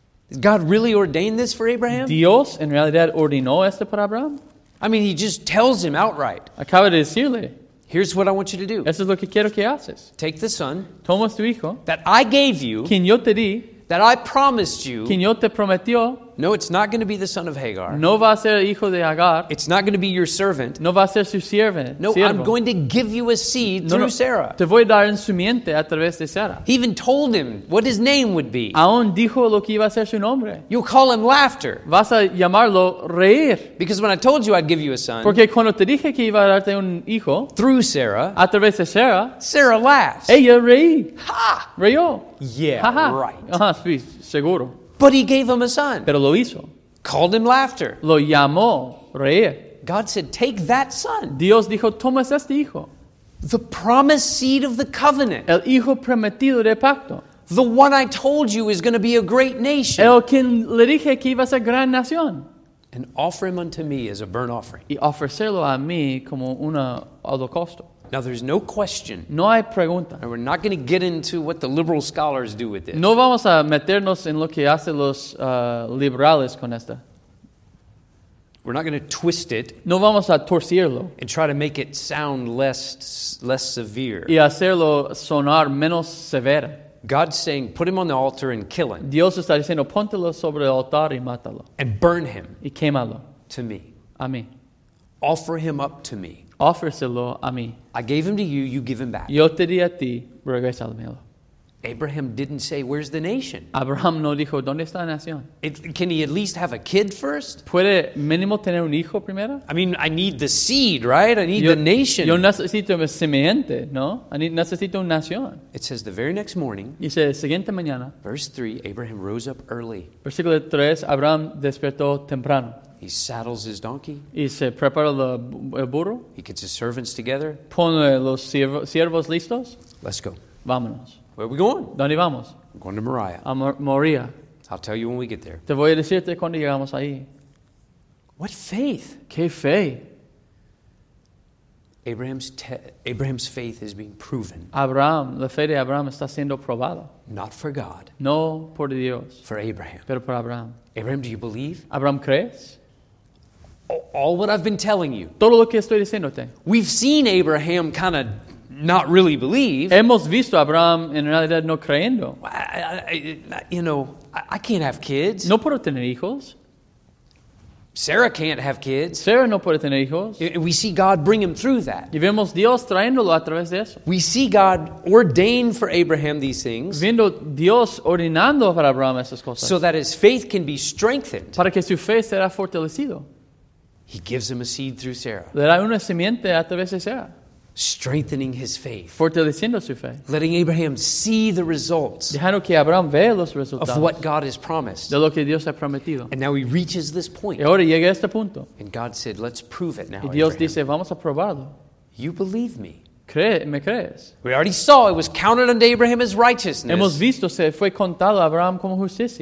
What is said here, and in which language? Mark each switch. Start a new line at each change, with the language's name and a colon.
English: Did God really ordain this for Abraham?
Spanish: ¿Dios en realidad ordenó esto para Abraham?
English: I mean, he just tells him outright.
Spanish: Acaba de decirle.
English: Here's what I want you to do.
Spanish: Eso es lo que quiero que haces.
English: Take the son.
Spanish: Toma tu hijo.
English: That I gave you.
Spanish: Quien yo te di.
English: That I promised you.
Spanish: Quien yo te prometió.
English: No, it's not going to be the son of Hagar.
Spanish: No va a ser el hijo de Hagar.
English: It's not going to be your servant.
Spanish: No va a ser su sierven. No, siervo.
English: I'm going to give you a seed through Sarah.
Spanish: Te voy a dar un simiente a través de Sarah.
English: He even told him what his name would be.
Spanish: Aún dijo lo que iba a ser su nombre.
English: You'll call him Laughter.
Spanish: Vas a llamarlo Reír.
English: Because when I told you I'd give you a son.
Spanish: Porque cuando te dije que iba a darte un hijo.
English: Through Sarah.
Spanish: A través de Sarah.
English: Sarah laughs.
Spanish: Ella reí. Ha! Reyó.
English: Yeah, ha, ha. Right.
Spanish: Ajá, sí, seguro.
English: But he gave him a son.
Spanish: Pero lo hizo.
English: Called him Laughter.
Spanish: Lo llamó Reír.
English: God said, take that son.
Spanish: Dios dijo, toma este hijo.
English: The promised seed of the covenant.
Spanish: El hijo prometido de pacto.
English: The one I told you is going to be a great nation.
Spanish: El quien le dije que iba a ser gran nación.
English: And offer him unto me as a burnt offering.
Spanish: Y ofrecerlo a mí como una holocausto.
English: Now there's no question.
Spanish: No hay pregunta.
English: And we're not going to get into what the liberal scholars do with this.
Spanish: No vamos a meternos en lo que hacen los liberales con esta.
English: We're not going to twist it.
Spanish: No vamos a torcerlo.
English: And try to make it sound less severe.
Spanish: Y hacerlo sonar menos severa.
English: God's saying, put him on the altar and kill him.
Spanish: Dios está diciendo, póntelo sobre el altar y mátalo.
English: And burn him.
Spanish: Y quémalo.
English: To me.
Spanish: A mí.
English: Offer him up to me.
Spanish: Ofrécelo a mí.
English: I gave him to you, you give him back.
Spanish: Yo te di a ti, regrésamelo.
English: Abraham didn't say, where's the nation?
Spanish: Abraham no dijo, ¿dónde está la nación?
English: Can he at least have a kid first?
Spanish: ¿Puede mínimo tener un hijo primero?
English: I mean, I need the seed, right? I need the nation.
Spanish: Yo necesito un semiente, ¿no? Necesito una nación.
English: It says the very next morning.
Spanish: Dice, siguiente mañana.
English: Verse 3, Abraham rose up early.
Spanish: Versículo 3, Abraham despertó temprano.
English: He saddles his donkey.
Spanish: Y se prepara el burro.
English: He gets his servants together.
Spanish: Pone los siervos listos.
English: Let's go.
Spanish: Vámonos.
English: Where are we going?
Spanish: ¿Dónde vamos?
English: I'm going to Moriah.
Spanish: A Moria.
English: I'll tell you when we get there.
Spanish: Te voy a decirte cuando llegamos ahí.
English: What faith?
Spanish: ¿Qué fe?
English: Abraham's faith is being proven.
Spanish: Abraham, la fe de Abraham está siendo probada.
English: Not for God.
Spanish: No por Dios.
English: For Abraham.
Spanish: Pero por Abraham.
English: Abraham, do you believe?
Spanish: Abraham, ¿crees?
English: All what I've been telling you.
Spanish: Todo lo que estoy diciéndote.
English: We've seen Abraham kind of not really believe.
Spanish: Hemos visto a Abraham en realidad no creyendo.
English: I can't have kids.
Spanish: No puedo tener hijos.
English: Sarah can't have kids.
Spanish: Sarah no puede tener hijos.
English: We see God bring him through that.
Spanish: Y vemos Dios trayéndolo a través de eso.
English: We see God ordain for Abraham these things.
Spanish: Viendo Dios ordenando para Abraham esas cosas.
English: So that his faith can be strengthened.
Spanish: Para que su fe sea fortalecido.
English: He gives him a seed through Sarah.
Spanish: Le da una simiente a través de Sarah.
English: strengthening his faith,
Spanish: fortaleciendo su fe,
English: letting Abraham see the results,
Spanish: dejando que Abraham vea los resultados
English: of what God has promised,
Spanish: de lo que Dios ha prometido.
English: And now he reaches this point.
Spanish: Y ahora llega a este punto.
English: And God said, "Let's prove it now."
Spanish: Y Dios Abraham. Dice, vamos a probarlo.
English: You believe me?
Spanish: ¿Me crees?
English: We already saw it was counted unto Abraham as righteousness.
Spanish: Hemos visto se fue contado a Abraham como justicia.